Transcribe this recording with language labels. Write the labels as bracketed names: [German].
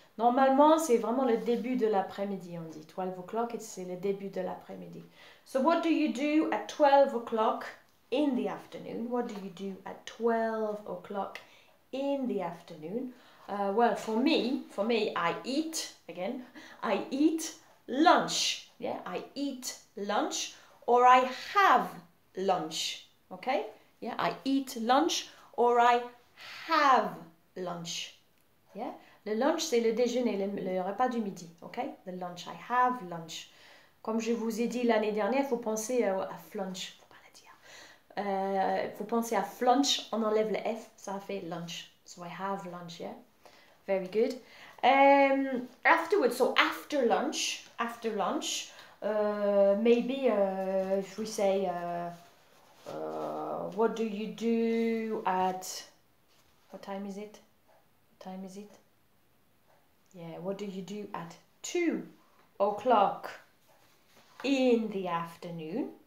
[French] Normalement, c'est vraiment le début de l'après-midi, on dit. [English] 12 o'clock, [French] c'est le début de l'après-midi. [English] So what do you do at 12 o'clock in the afternoon? What do you do at 12 o'clock in the afternoon? Well, for me, I eat, again, I eat lunch. Yeah, I eat lunch or I have lunch. Okay? Yeah, I eat lunch or I have lunch. Yeah? [French] Le lunch, c'est le déjeuner, le repas du midi. Okay? [English] The lunch, I have lunch. [French] Comme je vous ai dit l'année dernière, faut penser à flunch. Faut pas le dire. Faut penser à flunch, on enlève le F, ça fait lunch. [English] So I have lunch, yeah? Very good. Afterwards, so after lunch, maybe if we say, what do you do at, what time is it? Yeah, what do you do at 2 o'clock in the afternoon?